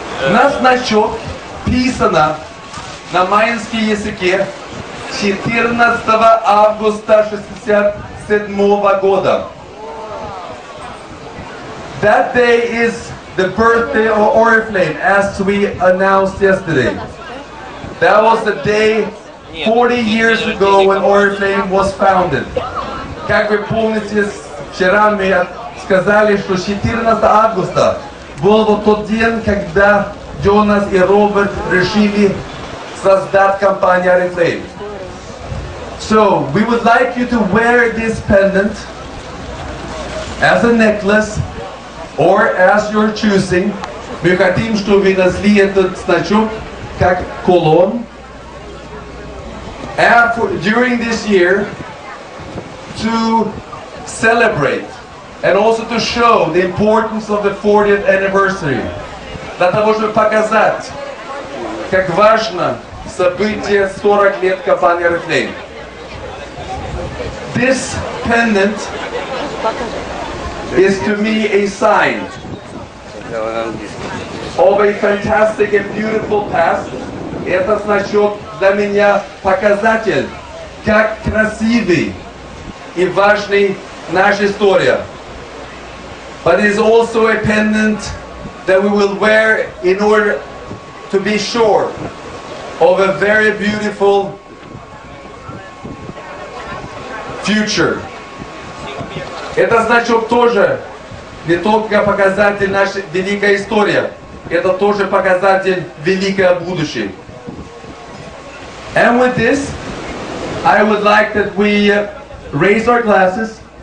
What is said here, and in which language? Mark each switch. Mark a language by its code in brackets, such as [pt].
[ru] Наш значок писано на майянском языке 14 августа 67 года. [en] That day is the birthday of Oriflame, as we announced yesterday. That was the day 40 years ago when Oriflame was founded. [ru] Как вы помните, вчера мы сказали, что 14 августа был вот тот день, когда Джонас и Роберт решили создать компанию Oriflame. [en] So we would like you to wear this pendant as a necklace or as your choosing. [ru] Мы хотим, чтобы вы носили этот значок как кулон. [en] During this year, to celebrate and also to show the importance of the 40th anniversary. [ru] Для того, чтобы показать, как важно событие 40 лет компании Oriflame. [en] This pendant is to me a sign of a fantastic and beautiful past. [ru] Это значок для меня показатель, как красивый и важный наша история. [en] But it is also a pendant that we will wear in order to be sure of a very beautiful future. [ru] Это значок тоже не только показатель нашей великой истории, это тоже показатель великого будущего. [en] And with this, I would like that we raise our glasses.